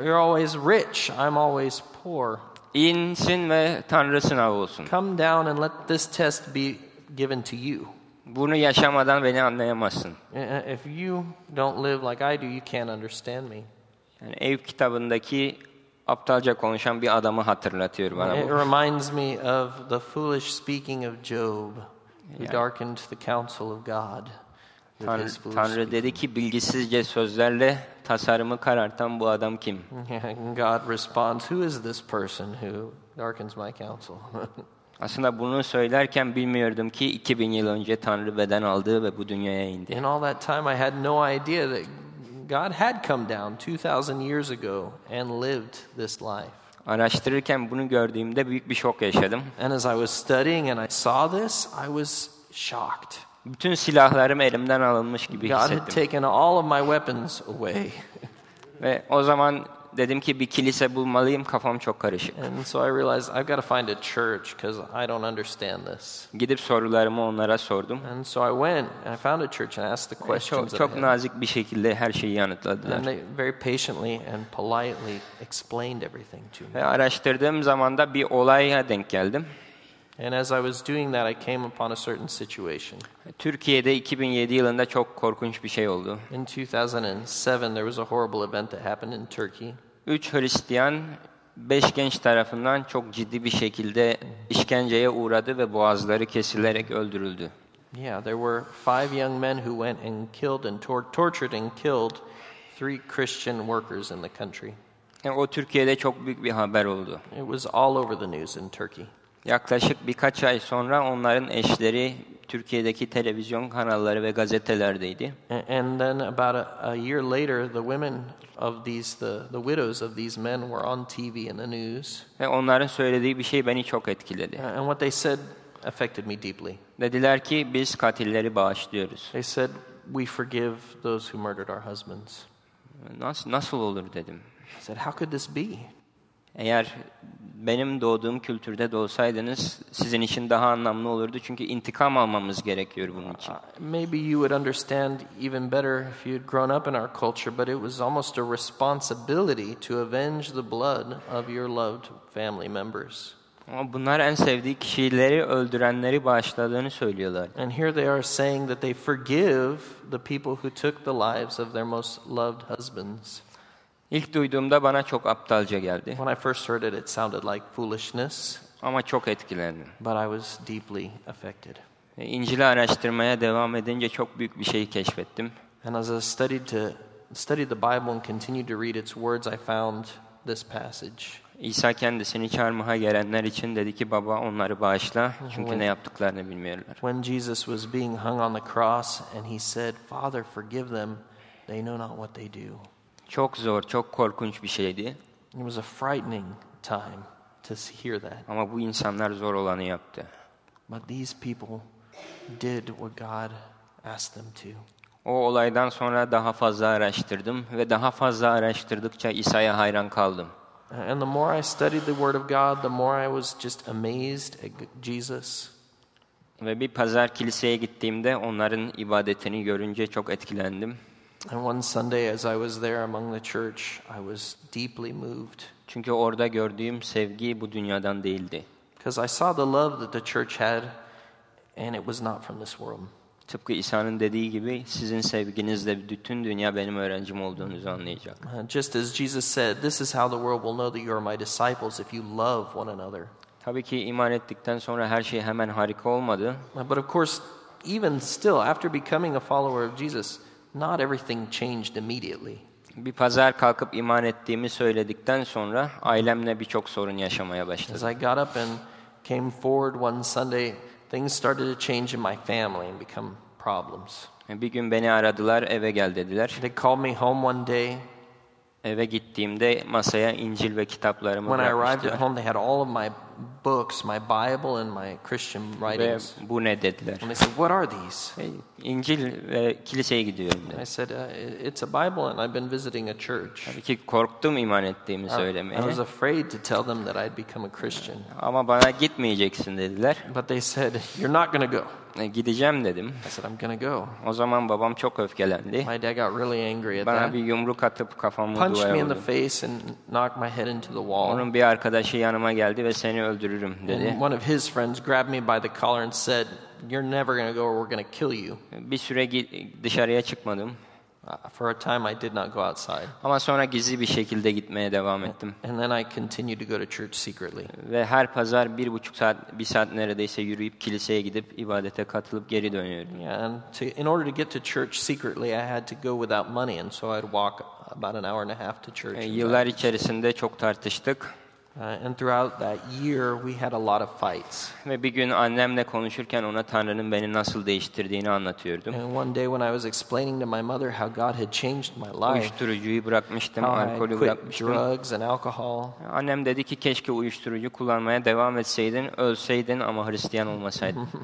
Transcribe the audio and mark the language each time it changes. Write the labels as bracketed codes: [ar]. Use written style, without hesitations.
[en] You're always rich, I'm always poor. [tr] İnsin ve Tanrı sınavı olsun. [en] Come down and let this test be given to you. [tr] Bunu yaşamadan beni anlayamazsın. [en] If you don't live like I do, you can't understand me. [tr] Yani Eyüp kitabındaki aptalca konuşan bir adamı hatırlatıyor bana. [en] It reminds me of the foolish speaking of Job, who darkened the counsel of God. [tr] Tanrı dedi ki bilgisizce sözlerle tasarımı karartan bu adam kim? [en] God responds, who is this person who darkens my counsel? [tr] Aslında bunu söylerken bilmiyordum ki 2000 yıl önce Tanrı beden aldı ve bu dünyaya indi. [en] In all that time I had no idea that God had come down 2000 years ago and lived this life. [tr] Araştırırken bunu gördüğümde büyük bir şok yaşadım. [en] And as I was studying and I saw this, I was shocked. [tr] Bütün silahlarım elimden alınmış gibi hissettim. [en] God had taken all of my weapons away. [tr] Ve o zaman dedim ki bir kilise bulmalıyım, kafam çok karışık. [en] And so I realized I've got to find a church because I don't understand this. [tr] Gidip sorularımı onlara sordum. [en] And so I went and I found a church and asked the questions. [tr] Çok nazik bir şekilde her şeyi yanıtladılar. [en] And they very patiently and politely explained everything to me. [tr] Ve araştırdığım zaman da bir olaya denk geldim. [en] And as I was doing that, I came upon a certain situation. [tr] Türkiye'de 2007 yılında çok korkunç bir şey oldu. [en] In 2007, there was a horrible event that happened in Turkey. [tr] 3 Hristiyan, 5 genç tarafından çok ciddi bir şekilde işkenceye uğradı ve boğazları kesilerek öldürüldü. [en] Yeah, there were 5 young men who went and killed and tortured and killed 3 Christian workers in the country. [tr] Yani o Türkiye'de çok büyük bir haber oldu. [en] It was all over the news in Turkey. [tr] Yaklaşık birkaç ay sonra onların eşleri Türkiye'deki televizyon kanalları ve gazetelerdeydi. [en] And then about a year later the women of these the widows of these men were on TV and the news. [tr] Ve onların söylediği bir şey beni çok etkiledi. [en] And what they said affected me deeply. [tr] Dediler ki biz katilleri bağışlıyoruz. [en] They said we forgive those who murdered our husbands. [tr] Nasıl olur dedim. [en] I said how could this be? [tr] Eğer benim doğduğum kültürde doğsaydınız sizin için daha anlamlı olurdu çünkü intikam almamız gerekiyor bunun için. [en] Maybe you would understand even better if you'd grown up in our culture, but it was almost a responsibility to avenge the blood of your loved family members. [tr] Ama bunlar en sevdiği kişileri öldürenleri bağışladığını söylüyorlar. [en] And here they are saying that they forgive the people who took the lives of their most loved husbands. [tr] İlk duyduğumda bana çok aptalca geldi. [en] When I first heard it, it sounded like foolishness. [tr] Ama çok etkilendim. [en] But I was deeply affected. [tr] İncil'i araştırmaya devam edince çok büyük bir şey keşfettim. [en] And as I studied the Bible and continued to read its words, I found this passage. [tr] İsa kendisini çarmıha gelenler için dedi ki baba onları bağışla çünkü ne yaptıklarını bilmiyorlar. [en] When Jesus was being hung on the cross and he said, Father, forgive them, they know not what they do. [tr] Çok zor, çok korkunç bir şeydi. [en] It was a frightening time to hear that. [tr] Ama bu insanlar zor olanı yaptı. [en] But these people did what God asked them to. [tr] O olaydan sonra daha fazla araştırdım ve daha fazla araştırdıkça İsa'ya hayran kaldım. [en] And the more I studied the word of God, the more I was just amazed at Jesus. [tr] Ve bir pazar kiliseye gittiğimde onların ibadetini görünce çok etkilendim. [en] And one Sunday as I was there among the church, I was deeply moved. [tr] Çünkü orada gördüğüm sevgi bu dünyadan değildi. [en] Because I saw the love that the church had, and it was not from this world. [tr] Tıpkı İsa'nın dediği gibi, sizin sevginizle bütün dünya benim öğrencim olduğunuzu anlayacak. [en] Just as Jesus said, this is how the world will know that you are my disciples if you love one another. [tr] Tabii ki iman ettikten sonra her şey hemen harika olmadı. [en] But of course, even still, after becoming a follower of Jesus, not everything changed immediately. [tr] Bir pazar kalkıp iman ettiğimi söyledikten sonra ailemle birçok sorun yaşamaya başladım. [en] As I got up and came forward one Sunday, things started to change in my family and become problems. [tr] Bir gün beni aradılar, eve gel dediler. [en] They called me home one day. [tr] Eve gittiğimde masaya İncil ve kitaplarımı bıraktılar. [en] When I arrived at home, they had all of my books, my Bible and my Christian writings. [tr] Ve bu ne dediler? [en] And they said, "What are these?" [tr] İncil ve kiliseye gidiyorum dedi. [en] I said, "It's a Bible and I've been visiting a church." [tr] Tabii ki korktum iman ettiğimi söylemeye. [en] I was afraid to tell them that I'd become a Christian. [tr] Ama bana gitmeyeceksin dediler. [en] But they said, "You're not going to go." [tr] Gideceğim dedim. [en] I said, "I'm going to go." [tr] O zaman babam çok öfkelendi. [en] My dad got really angry at [tr] bana [en] that. [tr] Bana bir yumruk atıp kafamı duvara [en] Punched me in the face and knocked my head into the wall. [tr] Onun bir arkadaşı yanıma geldi ve seni öldürürüm dedi. [en] And one of his friends grabbed me by the collar and said, "You're never going to go or we're going to kill you." [tr] Bir süre dışarıya çıkmadım. [en] For a time I did not go outside. [tr] Ama sonra gizli bir şekilde gitmeye devam ettim. [en] And then I continued to go to church secretly. [tr] Ve her pazar 1.5 saat, 1 saat neredeyse yürüyüp kiliseye gidip ibadete katılıp geri dönüyordum. [en] And in order to get to church secretly, I had to go without money, and so I'd walk about an hour and a half to church. [tr] Yıllar içerisinde çok tartıştık. [en] And throughout that year, we had a lot of fights. [tr] Ve bir gün annemle konuşurken ona Tanrı'nın beni nasıl değiştirdiğini anlatıyordum. [en] And one day when I was explaining to my mother how God had changed my life. [tr] Uyuşturucuyu bırakmıştım, alkolü bırakmıştım. [en] Drugs and alcohol. [tr] Annem dedi ki keşke uyuşturucu kullanmaya devam etseydin, ölseydin ama Hristiyan olmasaydın.